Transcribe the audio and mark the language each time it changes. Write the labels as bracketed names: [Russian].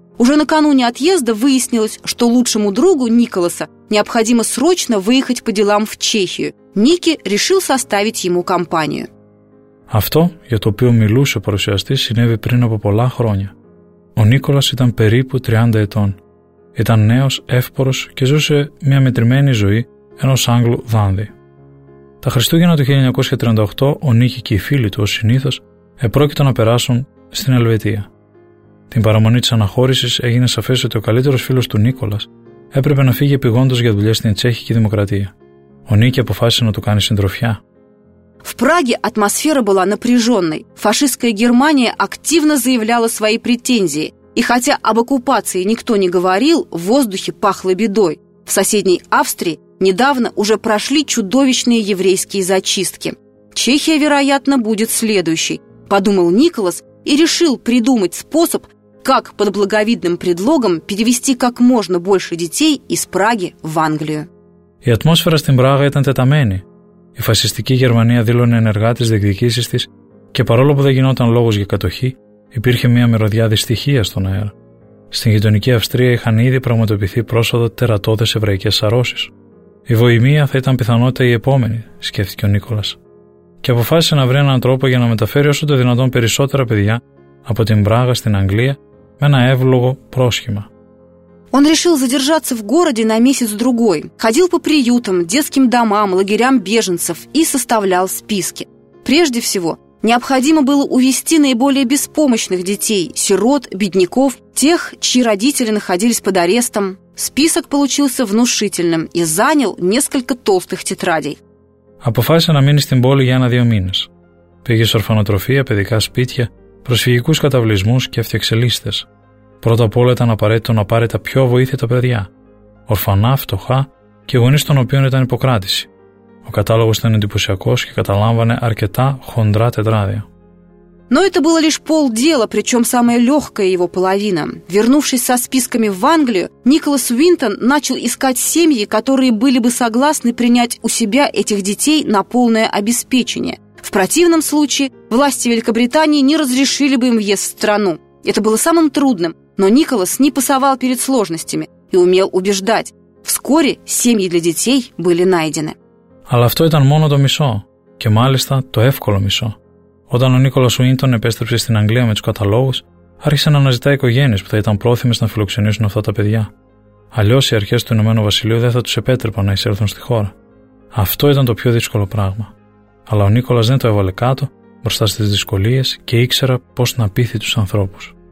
[Russian] Уже накануне отъезда выяснилось, что лучшему другу Николаса необходимо срочно выехать по делам в Чехию. Ники решил составить ему компанию. [Greek] Αυτό για το οποίο μιλούσε ο παρουσιαστής συνέβη πριν από πολλά χρόνια. Ο Νίκολας ήταν περίπου 30 ετών. Ήταν νέος, εύπορος και ζούσε μια μετρημένη ζωή ενός Άγγλου δάνδη. Τα Χριστούγεννα του 1938 ο Νίκη και οι φίλοι του ως συνήθως επρόκειτο να περάσουν στην Ελβετία. Την παραμονή της αναχώρησης έγινε σαφές ότι ο καλύτερος φίλος του Νίκολας έπρεπε να φύγει επιγόντως για δουλειά στην Τσέχικη Δημοκρατία. Ο Νίκη αποφάσισε να του κάνει συντροφιά. [Russian] В Праге атмосфера была напряженной. Фашистская Германия активно заявляла свои претензии. И хотя об оккупации никто не говорил, в воздухе пахло бедой. В соседней Австрии недавно уже прошли чудовищные еврейские зачистки. Чехия, вероятно, будет следующей, подумал Николас и решил придумать способ, как под благовидным предлогом перевести как можно больше детей из Праги в Англию. [Greek] Η ατμόσφαιρα στην Πράγα ήταν τεταμένη. Η φασιστική Γερμανία δήλωνε ενεργά τις διεκδικήσεις της και παρόλο που δεν γινόταν λόγος για κατοχή, υπήρχε μια μυρωδιά δυστυχία στον αέρα. Στην γειτονική Αυστρία είχαν ήδη πραγματοποιηθεί πρόσφατα τερατώδες εβραϊκές σαρώσεις. Η βοημία θα ήταν πιθανότητα η επόμενη, σκέφτηκε ο Νίκολας. Και αποφάσισε να βρει έναν τρόπο για να μεταφέρει όσο το δυνατόν περισσότερα παιδιά από την Πράγα στην Αγγλία με ένα εύλογο πρόσχημα. [Russian] Он решил задержаться в городе на месяц-другой. Ходил по приютам, детским домам, лагерям беженцев и составлял списки. Прежде всего, необходимо было увезти наиболее беспомощных детей, сирот, бедняков, тех, чьи родители находились под арестом. Список получился внушительным и занял несколько толстых тетрадей. [Greek] Αποφάσισε να μείνει στην πόλη για 1-2 μήνες. Πήγε σε ορφανοτροφία, παιδικά σπίτια, προσφυγικούς καταβλισμούς και έφτιαξε λίστες. Πρώτα απ' όλα ήταν απαραίτητο να πάρει τα πιο αβοήθητα παιδιά. Ορφανά, φτωχά και γονείς των οποίων ήταν υποκράτηση. Ο κατάλογος ήταν εντυπωσιακός και καταλάμβανε αρκετά χοντρά τετράδια. [Russian] Но это было лишь полдела, причем самая легкая его половина. Вернувшись со списками в Англию, Николас Уинтон начал искать семьи, которые были бы согласны принять у себя этих детей на полное обеспечение. В противном случае власти Великобритании не разрешили бы им въезд в страну. Это было самым трудным, но Николас не пасовал перед сложностями и умел убеждать. Вскоре семьи для детей были найдены. [Greek] Но это было только то мисо, и, мальста, то легкое мисо. Όταν ο Νίκολας Ουίντον επέστρεψε στην Αγγλία με τους καταλόγους, άρχισε να αναζητά οικογένειες που θα ήταν πρόθυμες να φιλοξενήσουν αυτά τα παιδιά. Αλλιώς οι αρχές του Ηνωμένου Βασιλείου δεν θα τους επέτρεπαν να εισέλθουν στη χώρα. Αυτό ήταν το πιο δύσκολο πράγμα. Αλλά ο Νίκολας δεν το έβαλε κάτω, μπροστά στις δυσκολίες και ήξερα πώς να πείθει τους ανθρώπους.